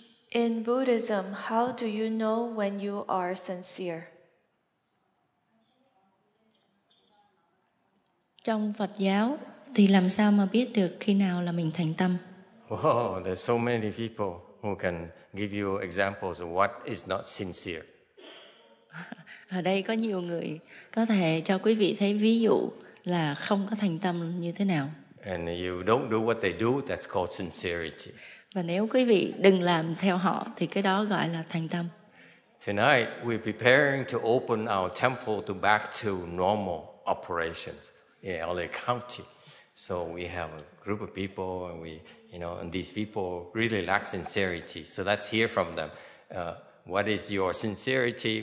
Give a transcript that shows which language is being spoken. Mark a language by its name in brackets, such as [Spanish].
[English] In Buddhism, how do you know when you are sincere? [Vietnamese] Trong Phật giáo thì làm sao mà biết được khi nào là mình thành tâm? [English] Wow, there's so many people who can give you examples of what is not sincere. [Vietnamese] Ở đây có nhiều người có thể cho quý vị thấy ví dụ là không có thành tâm như thế nào. [English] And you don't do what they do, that's called sincerity. [Vietnamese] Và nếu quý vị đừng làm theo họ thì cái đó gọi là thành tâm. [English] Tonight we're preparing to open our temple to back to normal operations in LA County. So we have a group of people and we, you know, and these people really lack sincerity. So let's hear from them. What is your sincerity?